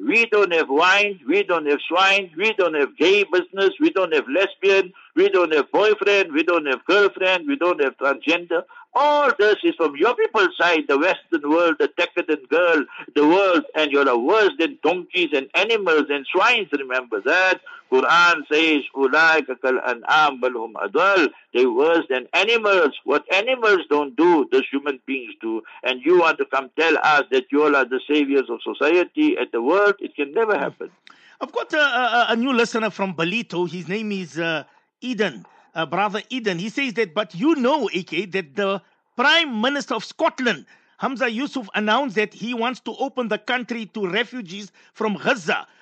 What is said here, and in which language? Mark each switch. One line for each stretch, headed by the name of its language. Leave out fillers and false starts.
English: We don't have wine, we don't have swine, we don't have gay business, we don't have lesbian, we don't have boyfriend, we don't have girlfriend, we don't have transgender. All this is from your people's side, the Western world, the decadent girl, the world, and you're worse than donkeys and animals and swines, remember that. Quran says,
Arabic: أُولَٰئِكَ كَالْأَنْعَامِ بَلْ هُمْ أَضَلُّ.
English: They're worse than animals. What animals don't do, those human beings do. And you want to come tell us that you all are the saviors of society and the world, it can never happen. I've got a new listener from Balito. His name is Eden. Brother Eden, he says that, but you know, AK, that the Prime Minister of Scotland, Hamza Yusuf, announced that he wants to open the country to refugees from Gaza.